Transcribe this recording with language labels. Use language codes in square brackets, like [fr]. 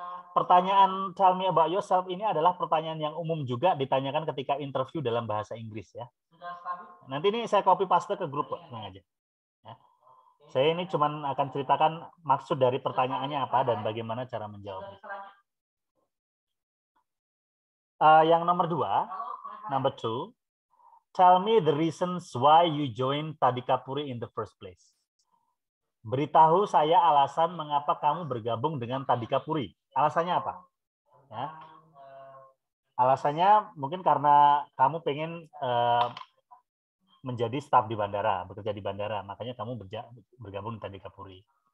[id] Pertanyaan [en] tell me about yourself [id] ini adalah pertanyaan yang umum juga ditanyakan ketika interview dalam bahasa Inggris ya. Nanti ini saya copy paste ke grup kok, tenang aja. Ya. Saya ini cuma akan ceritakan maksud dari pertanyaannya apa dan bagaimana cara menjawabnya. Yang nomor 2, [en] number 2, tell me the reasons why you join Tadikapuri in the first place. [id] Beritahu saya alasan mengapa kamu bergabung dengan Tadikapuri. Alasannya apa? Ya. Alasannya mungkin karena kamu pengen menjadi staf di bandara, bekerja di bandara, makanya kamu bergabung di Tadikapuri.